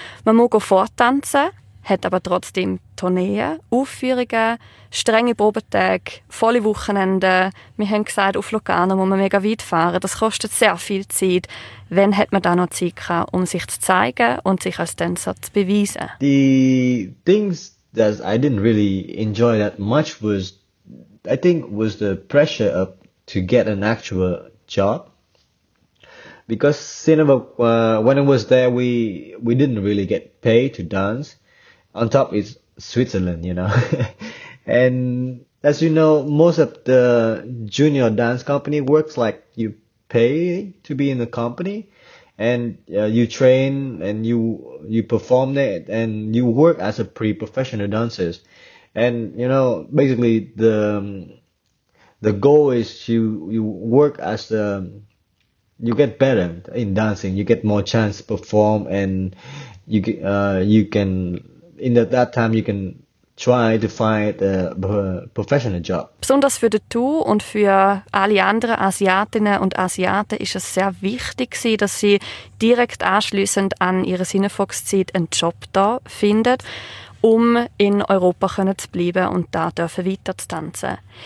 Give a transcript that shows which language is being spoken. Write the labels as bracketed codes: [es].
[de] Man muss vortanzen, hat aber trotzdem Tourneen, Aufführungen, strenge Probetage, volle Wochenende. Wir haben gesagt, auf Lugano muss man mega weit fahren. Das kostet sehr viel Zeit. Wann hat man da noch Zeit gehabt, um sich zu zeigen und sich als Tänzer zu beweisen? [en] The things that I didn't really enjoy that much was, I think, was the pressure of to get an actual job. Because when I was there, we didn't really get paid to dance. On top is Switzerland, you know. And as you know, most of the junior dance company works like you pay to be in the company and you train and you perform there and you work as a pre-professional dancers. And, you know, basically the goal is you work as a, you get better in dancing, you get more chance to perform and you can, in that time you can try to find a professional job. [de] Besonders für du und für alle anderen Asiatinnen und Asiaten ist es sehr wichtig, dass sie direkt anschliessend an ihre Sinnefox-Zeit einen Job da findet, um in Europa zu bleiben und da weiter zu tanzen.